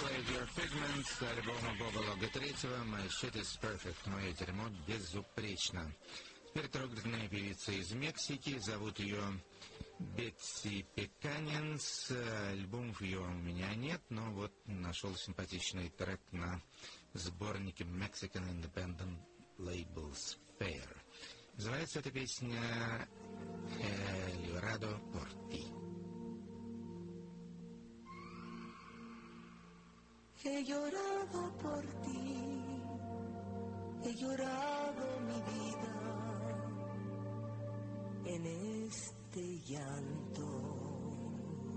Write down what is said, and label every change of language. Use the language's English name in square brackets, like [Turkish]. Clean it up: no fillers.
[Russian] Your Pigment с альбома Боба Лога III My Shit is Perfect. Мое дерьмо безупречно. Теперь трогательная певица из Мексики. Зовут ее Бетси Пеканинс. Альбомов ее у меня нет, но вот нашел симпатичный трек на сборнике Mexican Independent Labels Fair. Называется эта песня El Dorado por ti. [Spanish] He llorado por ti, he llorado mi vida en este llanto.